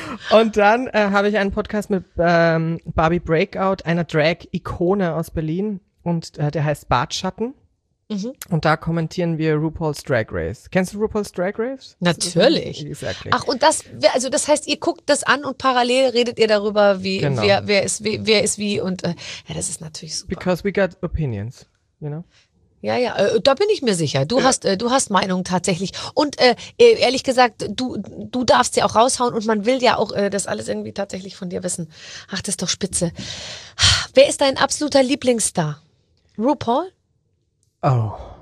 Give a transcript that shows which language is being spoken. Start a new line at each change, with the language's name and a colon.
German: Und dann habe ich einen Podcast mit Barbie Breakout, einer Drag-Ikone aus Berlin, und der heißt Bartschatten. Und da kommentieren wir RuPaul's Drag Race. Kennst du RuPaul's Drag Race? Natürlich.
English: Exactly.
German: Ach, und das heißt, ihr guckt das an und parallel redet ihr darüber, wer ist wie und das ist natürlich super.
English: Because we got opinions, you know?
German: Ja, da bin ich mir sicher. Du hast Meinung tatsächlich. Und ehrlich gesagt, du darfst ja auch raushauen und man will ja auch das alles irgendwie tatsächlich von dir wissen. Ach, das ist doch spitze. Wer ist dein absoluter Lieblingsstar? RuPaul? Oh.